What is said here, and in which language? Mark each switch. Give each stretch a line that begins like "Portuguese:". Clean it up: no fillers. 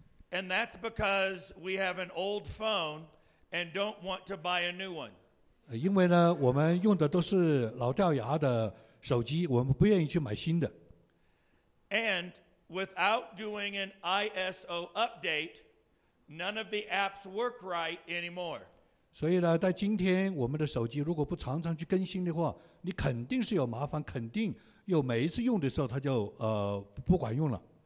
English: And that's because we have an old phone and don't want to buy a new one.
Chinese: 因为呢，我们用的都是老掉牙的手机，我们不愿意去买新的。
English: And without doing an ISO update, none of the apps work right anymore.
Chinese: 所以呢，在今天我们的手机如果不常常去更新的话，你肯定是有麻烦，肯定又每一次用的时候它就不管用了。